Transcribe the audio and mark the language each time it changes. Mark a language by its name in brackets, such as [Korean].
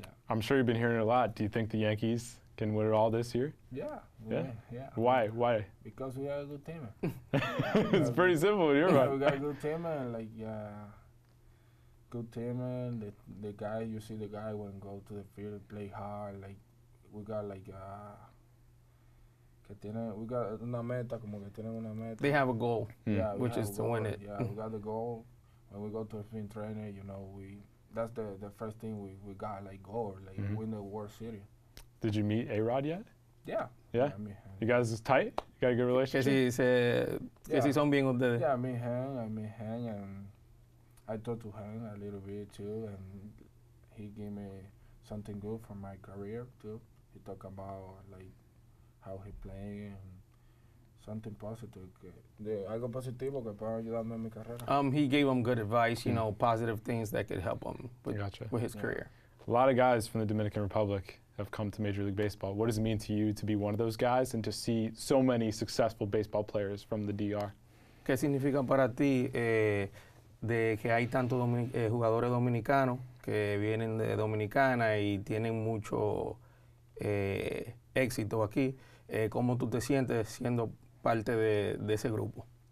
[English] I'm sure you've been hearing it a lot. Do you think the Yankees can win it all this year? Yeah. Why? Because we have a good team. It's pretty simple. You're right. We got a good team, and good team. And the guy, you see the guy when go to the field, play hard. Like we got like [Spanish] que tiene, [English] we got [Spanish] una meta como que tiene una meta. [English] They have a goal, which is to win it. Yeah, we got the goal. When we go to the field training, you know we. That's the first thing we got, like, goal, like, win the World Series. Did you meet A-Rod yet? Yeah. I mean, you guys is tight? You got a good relationship? Yeah, I meet him, and I talk to him a little bit, too, and he gave me something good for my career, too. He talked about, like, how he playing, and something positive. [Spanish] Algo positivo que pueda ayudarme en mi carrera. [English] He gave him good advice, you know, positive things that could help him with his career. A lot of guys from the Dominican Republic have come to Major League Baseball. What does it mean to you to be one of those guys and to see so many successful baseball players from the DR? [Spanish] ¿Qué significa para ti de que hay tantos jugadores dominicanos que vienen de Dominicana y tienen mucho éxito aquí? ¿Cómo tú te sientes siendo parte de ese grupo?